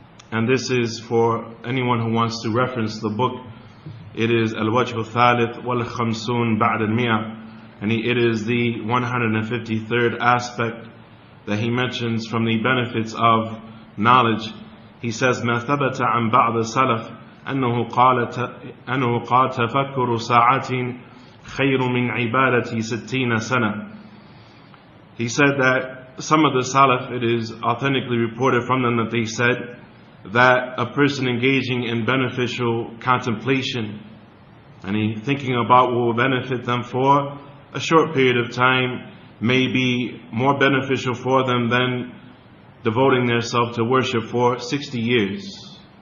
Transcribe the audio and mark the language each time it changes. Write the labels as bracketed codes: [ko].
[en] And this is for anyone who wants to reference the book. It is Al-Wajhu Thalith Wal-Khamsun Ba'd Al-Mi'ah. And it is the 153rd aspect that he mentions from the benefits of knowledge. He says, [ar] مَا ثَبَتَ عَنْ بَعْضَ السَّلَفِ أَنُّهُ قَالَ تَفَكُّرُ سَاعَةٍ خَيْرٌ مِنْ عِبَادَةِ سِتِّينَ سَنَةٍ. [en] He said that some of the Salaf, it is authentically reported from them that they said that a person engaging in beneficial contemplation and thinking about what will benefit them for a short period of time may be more beneficial for them than devoting themselves to worship for 60 years.